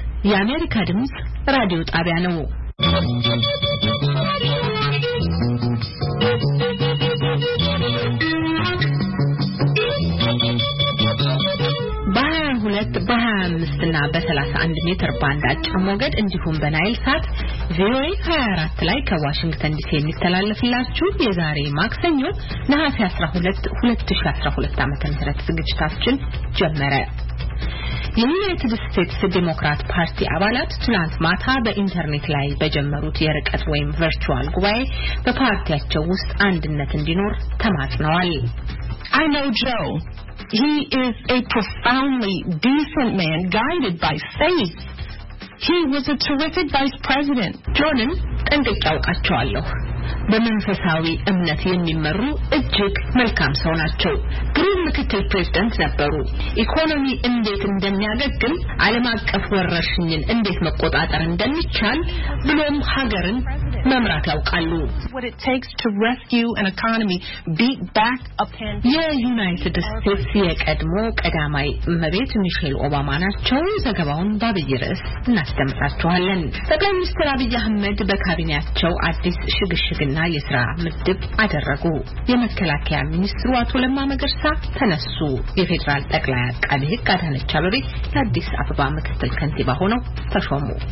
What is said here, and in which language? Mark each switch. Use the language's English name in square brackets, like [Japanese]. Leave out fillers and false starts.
[Amharic] የአሜሪካ ድምጽ ራዲዮ ጣቢያ ነው። ሁለት በ25ና በ31 ሜትር ባንድ አጭር ሞገድ እንዲሁም በናይል ሳት 024 ላይ ከዋሽንግተን ዲሲ የሚተላለፍላችሁ የዛሬ ማክሰኞ ነሐሴ 12 2012 ዓ.ም ተመረጥ ዝግጅታችን ጀመረ። የዩናይትድ ስቴትስ ዲሞክራት ፓርቲ አባላት ትላንት ማታ በኢንተርኔት ላይ በጀመሩት የርቀት ወይም ቨርቹዋል ጉባኤ በፓርቲያቸው ውስጥ አንድነት እንዲኖር ተማጽነዋል። [English] I know Joe. He is a profoundly decent man guided by faith. He was a terrific vice president. [Amharic] Jordan, እንደቃውቃቸዋለሁ። በመንፈሳዊ እምነት የሚመሩ እጅግ መልካም ሰው ናቸው። ግሩም ምክትል ፕሬዝዳንት ነበሩ። ኢኮኖሚ እንዴት እንደሚያገግም፣ ዓለም አቀፍ ወረርሽኝን እንዴት መቆጣጠር እንደሚቻል ብሎም ሀገርን መምራት ያውቃሉ። [English] What it takes to rescue an economy, beat back a pandemic. [Amharic] የዩናይትድ ስቴትስ የቀድሞ ቀዳማይ እመቤት ሚሼል ኦባማ ናቸው። ዘገባውን ባብይ ርዕስ እናስደምጣችኋለን። ጠቅላይ ሚኒስትር አብይ አህመድ በካቢኔያቸው አዲስ ሽግሽግና የሥራ ምድብ አደረጉ። የመከላከያ ሚኒስትሩ አቶ ለማ መገርሳ ተነሱ። የፌዴራል ጠቅላይ አቃቤ ሕግ አዳነች አበቤ ለአዲስ አበባ ምክትል ከንቲባ ሆነው ተሾሙ።